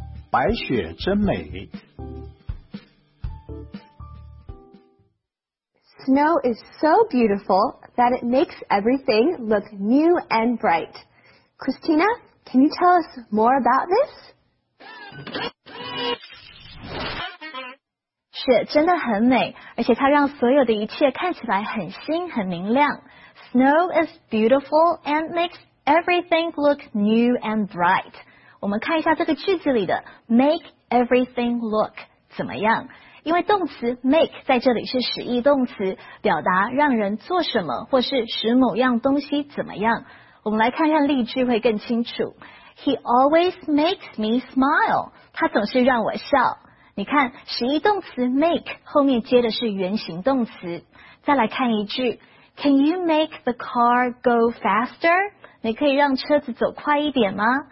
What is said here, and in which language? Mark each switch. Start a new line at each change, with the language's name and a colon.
Chinese: 白雪真美丽.
English: Snow is so beautiful that it makes everything look new and bright. Christina, can you tell us more about this?
Chinese: 雪真的很美, 而且它让所有的一切看起来很新很明亮.
English: Snow is beautiful and makes everything look new and bright.
Chinese: 我们看一下这个句子里的
English: make everything look
Chinese: 怎么样? 因为动词 make 在这里是使役动词, 表达让人做什么或是使某样东西怎么样.我们来看看例句会更清楚.
English: He always makes me smile.
Chinese: 他总是让我笑. 你看,使役动词 make 后面接的是原形动词. 再来看一句,
English: Can you make the car go faster?
Chinese: 你可以让车子走快一点吗?